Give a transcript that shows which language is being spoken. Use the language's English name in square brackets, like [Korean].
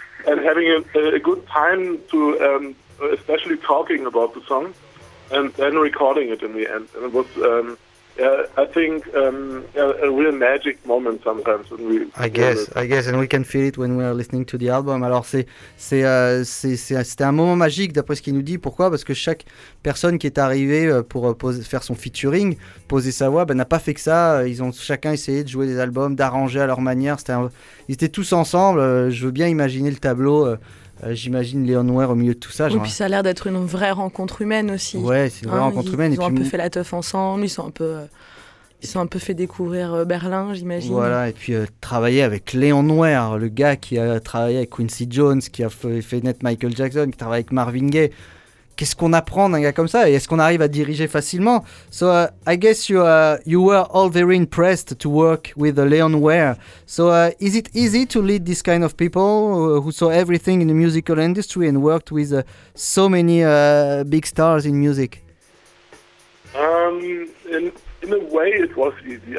[English] And having a good time to especially talking about the song and then recording it in the end. And it was, I think, a real magic moment sometimes. When we I guess, and we can feel it when we are listening to the album. [French] Alors c'était un moment magique d'après ce qu'il nous dit. Pourquoi? Parce que chaque personne qui est arrivée pour faire son featuring, poser sa voix, n'a pas fait que ça. Ils ont chacun essayé de jouer des albums, d'arranger à leur manière. Ils étaient tous ensemble. Je veux bien imaginer le tableau. J'imagine Léon Ware au milieu de tout ça. Et oui, puis ça a l'air d'être une vraie rencontre humaine aussi. Ouais, c'est une vraie rencontre humaine. Ils ont un peu fait la teuf ensemble, ils sont un peu fait découvrir Berlin, j'imagine. Voilà, et puis travailler avec Léon Ware, le gars qui a travaillé avec Quincy Jones, qui a fait naître Michael Jackson, qui travaille avec Marvin Gaye. Qu'est-ce qu'on apprend d'un gars comme ça? Et est-ce qu'on arrive à diriger facilement? [English] So I guess you were all very impressed to work with Léon Ware. So is it easy to lead this kind of people who saw everything in the musical industry and worked with so many big stars in music? In a way, it was easy.